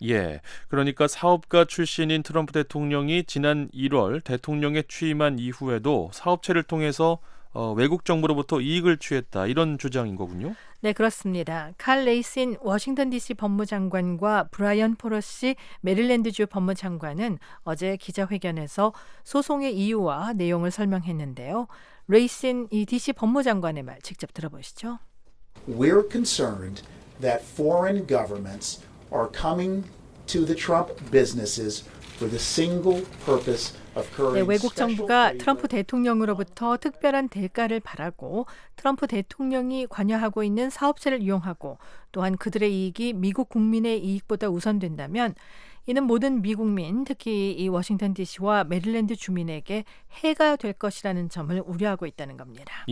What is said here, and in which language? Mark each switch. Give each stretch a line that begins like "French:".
Korean: 예, 그러니까 사업가 출신인 트럼프 대통령이 지난 1월 대통령에 취임한 이후에도 사업체를 통해서 외국 정부로부터 이익을 취했다 이런 주장인 거군요. 네, 그렇습니다. 칼 레이신 워싱턴 DC 법무장관과 브라이언 포러시 메릴랜드주 법무장관은 어제 기자회견에서 소송의 이유와 내용을 설명했는데요. 레이신 이 DC 법무장관의 말 직접 들어보시죠.
English: We're concerned that foreign governments are coming to the Trump businesses for the single purpose.
Korean: 네, 외국 정부가 트럼프 대통령으로부터 특별한 대가를 바라고 트럼프 대통령이 관여하고 있는 사업체를 이용하고 또한 그들의 이익이 미국 국민의 이익보다 우선된다면 이는 모든 미국민, 특히 이 워싱턴 DC와 메릴랜드 주민에게 해가 될 것이라는 점을 우려하고 있다는 겁니다.